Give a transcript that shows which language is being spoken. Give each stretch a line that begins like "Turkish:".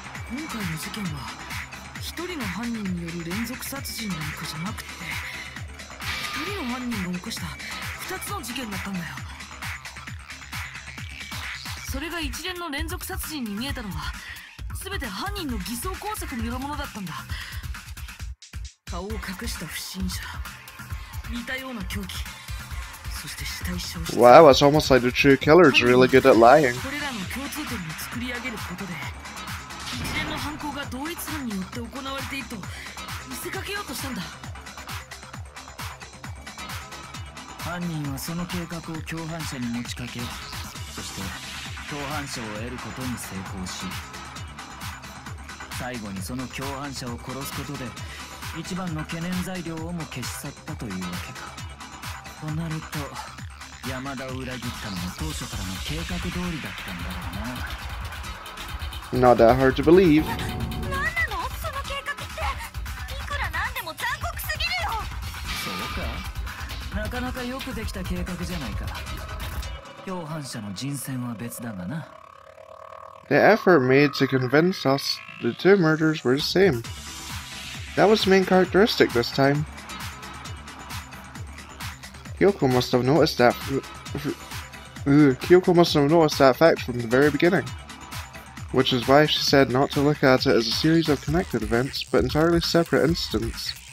Japanese: 今回の事件は一人の犯人による連続殺人なんかじゃなくて、二人の犯人が起こした二つの事件だったんだよ。それが一連の連続殺人に見えたのは、すべて犯人の偽装工作によるものだったんだ。顔を隠した不審者、似たような凶器、そして死体消失。
English: Wow, it's almost like the true killer is really good at lying.
Japanese: これらの共通点を作り上げることで、一連の犯行が同一犯によって行われていると見せかけようとしたんだ。犯人はその計画を共犯者に持ちかけ、そして共犯者を得ることに成功し、最後にその共犯者を殺すことで一番の懸念材料をも消し去ったというわけか。となると山田を裏切ったのも当初からの計画通りだったんだろうな。
English: Not that hard to believe.
Japanese: 何なのその計画って。いくらなんでも残酷すぎるよ。そうか、なかなかよくできた計画じゃないか。共犯者の人選は別だがな。
English: The effort made to convince us the two murders were the same. That was the main characteristic this time. Kyoko must have noticed that. Kyoko must have noticed that fact from the very beginning, which is why she said not to look at it as a series of connected events, but entirely separate incidents.